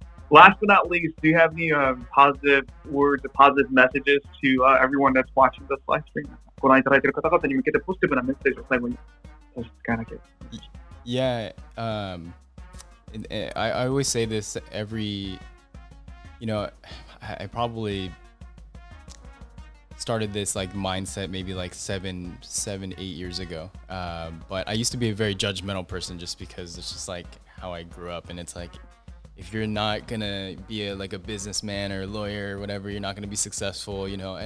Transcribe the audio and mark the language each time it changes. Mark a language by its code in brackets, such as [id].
[en] Last but not least, do you have any positive words, positive messages to everyone that's watching this live stream? [ja] ご覧いただいている方々に向けてポジティブなメッセージを最後に使わなきゃ。 [en] Yeah, I always say this every, you know, I probably started this like mindset maybe like seven, eight years ago. But I used to be a very judgmental person just because it's just like how I grew up, and it's like, if you're not gonna be a businessman or a lawyer or whatever, you're not gonna be successful, you know.